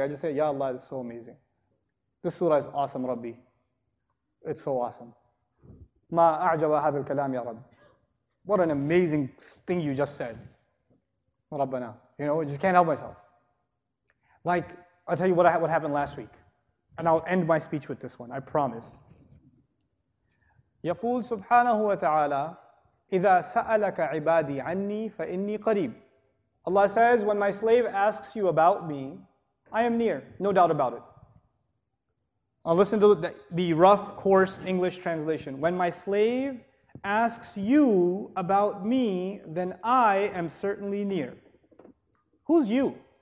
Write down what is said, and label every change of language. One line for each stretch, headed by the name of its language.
English: I just say, Ya Allah, it's so amazing. This surah is awesome, Rabbi. It's so awesome.
Arabic: Ma a'jaba hadha al-kalam, Ya Rabbi.
English: What an amazing thing you just said. Rabbana. You know, I just can't help myself. Like, I'll tell you what happened last week. And I'll end my speech with this one, I promise.
Arabic: Yaqul subhanahu wa ta'ala, إِذَا سَأَلَكَ عِبَادِي عَنِّي فَإِنِّي قَرِيبٌ.
English: Allah says, when my slave asks you about me, I am near, no doubt about it. I'll listen to the rough, coarse English translation. When my slave asks you about me, then I am certainly near. Who's you?